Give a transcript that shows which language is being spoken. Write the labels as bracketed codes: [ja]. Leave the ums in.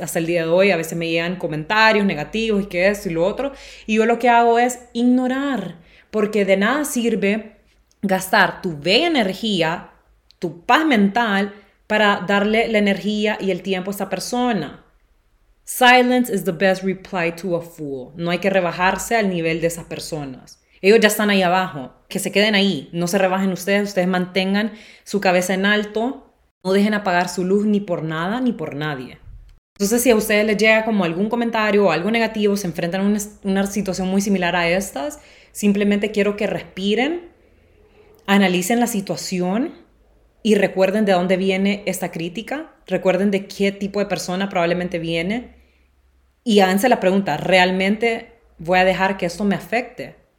[es] Hasta el día de hoy a veces me llegan comentarios negativos y que esto y lo otro, y yo lo que hago es ignorar, porque de nada sirve gastar tu bella energía, tu paz mental, para darle la energía y el tiempo a esa persona. [en] Silence is the best reply to a fool. [es] No hay que rebajarse al nivel de esas personas. Ellos ya están ahí abajo, que se queden ahí, no se rebajen ustedes, ustedes mantengan su cabeza en alto, no dejen apagar su luz ni por nada ni por nadie. Entonces si a ustedes les llega como algún comentario o algo negativo, se enfrentan a una, una situación muy similar a estas, simplemente quiero que respiren, analicen la situación, y recuerden de dónde viene esta crítica, recuerden de qué tipo de persona probablemente viene y háganse la pregunta, ¿realmente voy a dejar que esto me afecte?